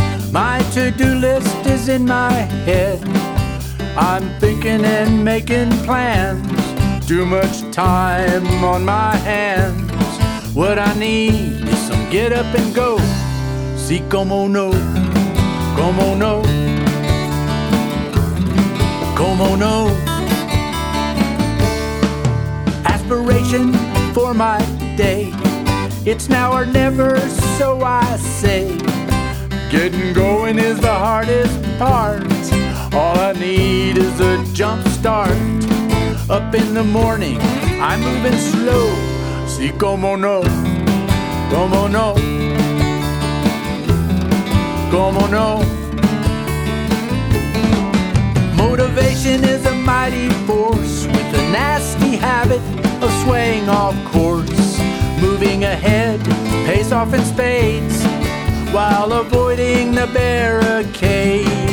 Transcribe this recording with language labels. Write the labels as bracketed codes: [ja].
[en] My to-do list is in my head. I'm thinking and making plans. Too much time on my hands. What I need is some get up and go. [es] Si como no, como no, como no. [en] Aspiration for my day. It's now or never, so I say. Getting going is the hardest part. All I need is a jump start. Up in the morning, I'm moving slow. [es] Si como no, como no, como no. [en] Motivation is a mighty force with a nasty habit of swaying off course. Moving ahead, pace off in spades, while avoiding the barricades.